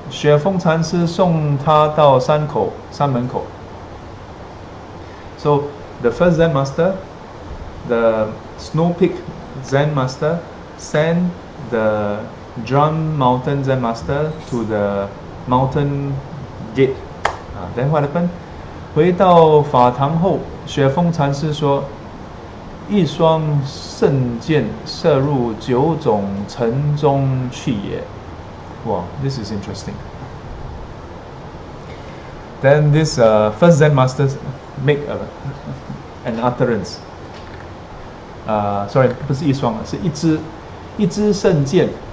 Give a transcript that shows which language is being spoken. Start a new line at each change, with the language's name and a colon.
Chinese: 雪峰禅师送他到山门口.
English: So the first Zen master, the Snow Peak Zen master, send the Drum Mountain Zen Master to the mountain gate. Then what happened?
Chinese: 回到法堂后，雪峰禅师说：“一双圣箭射入九种尘中去也。”哇，
English: this is interesting. Then this first Zen master make an utterance. Sorry,
Chinese: 不是一双, 是一支圣剑.